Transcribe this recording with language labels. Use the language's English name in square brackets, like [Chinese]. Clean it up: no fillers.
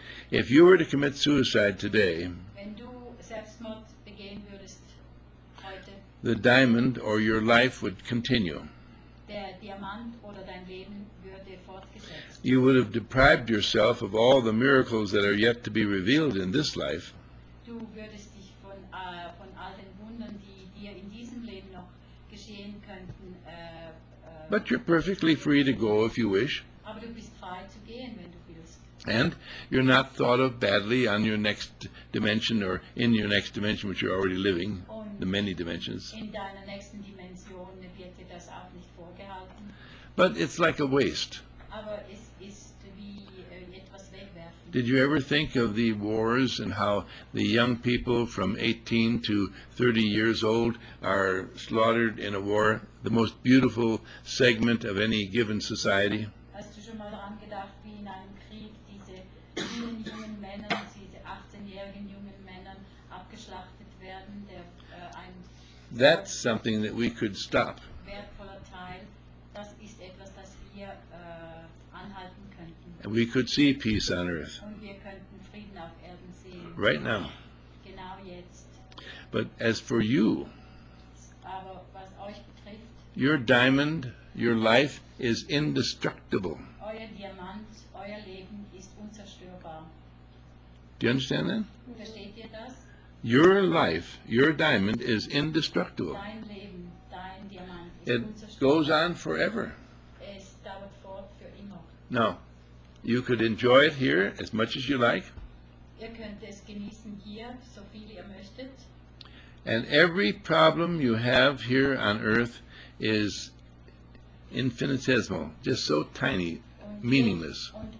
[English] If you were to commit suicide today, [German] wenn du Selbstmord begehen würdest heute, [English] the diamond or your life would continue. [German] Der Diamant oder dein Leben würde fortgesetzt. [English] You would have deprived yourself of all the miracles that are yet to be revealed in this life. [German] Du würdest dich von all den Wundern, die dir in diesem Leben noch geschehen könnten. [English] But you're perfectly free to go if you wish. [German] Aber du bist frei zu gehen, wenn du willst. [English] And you're not thought of badly on your next dimension or in your next dimension, which you're already living, the many dimensions. [German] In deiner nächsten Dimension wird dir das auch nicht vorgehalten. [English] But it's like a waste. [German] Aber es ist wie etwas wegwerfen. [English] Did you ever think of the wars and how the young people from 18 to 30 years old are slaughtered in a war, the most beautiful segment of any given society? [German] Hast du schon mal daran gedacht, wie in einem Krieg diese vielen jungen Männer, diese 18-jährigen jungen Männer abgeschlachtet werden, der ein [English] That's something that we could stop. [German] Wertvoller Teil, das ist etwas, das wir anhalten könnten. [English] And we could see peace on earth. [German] Und wir könnten Frieden auf Erden sehen. [English] Right now. [German] Genau jetzt. [English] But as for you, [German] aber was euch betrifft, [English] your diamond, your life is indestructible. [German] Euer Diamant, euer Leben ist unzerstörbar. [English] Do you understand that? [German] Versteht ihr das? [English] Your life, your diamond is indestructible. [German] Dein Leben, dein Diamant ist [English] it [German] unzerstörbar. [English] Goes on forever. [German] Es dauert fort für immer. [English] Now, you could enjoy it here as much as you like. [German] Ihr könnt es genießen hier, so viel ihr möchtet. [English] And every problem you have here on earth is infinitesimal, just so tiny, meaningless.